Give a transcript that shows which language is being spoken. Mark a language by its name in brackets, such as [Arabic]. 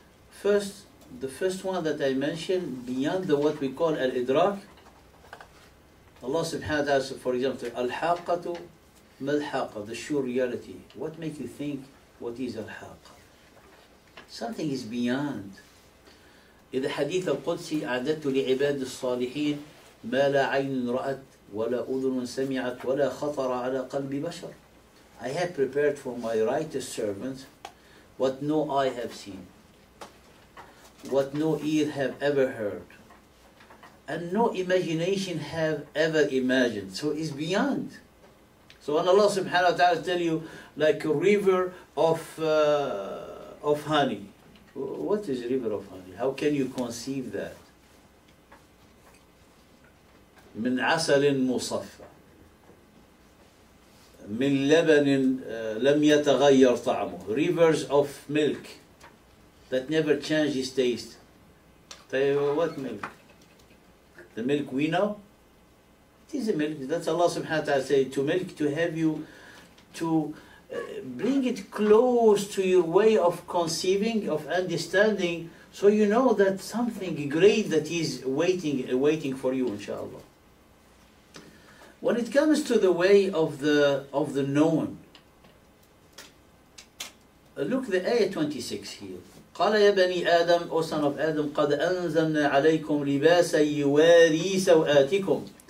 [English] First, the first one that I mentioned, beyond the what we call Al-Idraq, Allah subhanahu wa ta'ala says, for example, [Arabic] Al-Haqqatu Mal-Haqqa, [English] the sure reality. What makes you think what is Al-Haqqa? Something is beyond. [Arabic] In the hadith of Qudsi, أعددت لعباد الصالحين ما لا عين رأت ولا أذن سمعت ولا خطر على قلب بشر. [English] I have prepared for my righteous servants what no eye have seen, what no ear have ever heard, and no imagination have ever imagined. So it's beyond. So when Allah subhanahu wa ta'ala tell you, like a river of honey. What is river of honey? How can you conceive that? [Arabic] من عسل مصفى من لبن لم يتغير طعمه. [English] Rivers of milk that never change its taste. What milk? The milk we know? It is a milk. That's Allah subhanahu wa ta'ala say to milk, to have you, to bring it close to your way of conceiving, of understanding, so you know that something great that is waiting for you, inshallah. When it comes to the way of the known, look the ayah 26 here. [Arabic] قال يا بني آدم أو [English] son of Adam [Arabic] قد أنزلنا عليكم لباسا يواري سوآتكم.